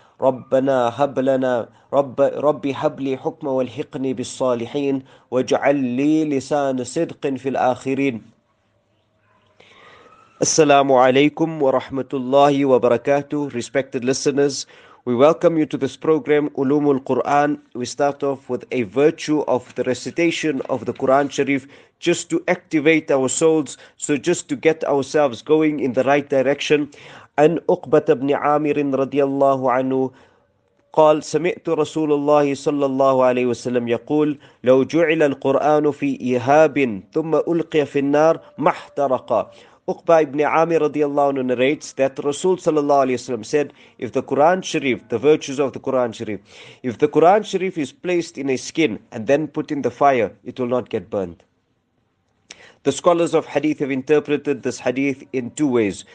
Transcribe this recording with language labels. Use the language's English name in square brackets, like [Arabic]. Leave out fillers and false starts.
[Arabic] ربنا هب لنا ربي هب لي حكما والحقني بالصالحين، واجعل لي لسان صدق في الآخرين. السلام عليكم ورحمة الله وبركاته. [English] Respected listeners, we welcome you to this program, Ulumul Quran. We start off with a virtue of the recitation of the Quran Sharif, just to activate our souls, so just to get ourselves going in the right direction. [Arabic] An Uqbah ibn Amir radiallahu anhu قال سمعت رسول الله صلى الله عليه وسلم يقول لو جعل القرآن في إهاب ثم ألقي في النار ما احترق. [English] Uqba ibn Amir radiallahu anhu narrates that Rasul sallallahu alayhi wasallam said, if the Quran Sharif, the virtues of the Quran Sharif, if the Quran Sharif is placed in a skin and then put in the fire, it will not get burned. The scholars of hadith have interpreted this hadith in two ways.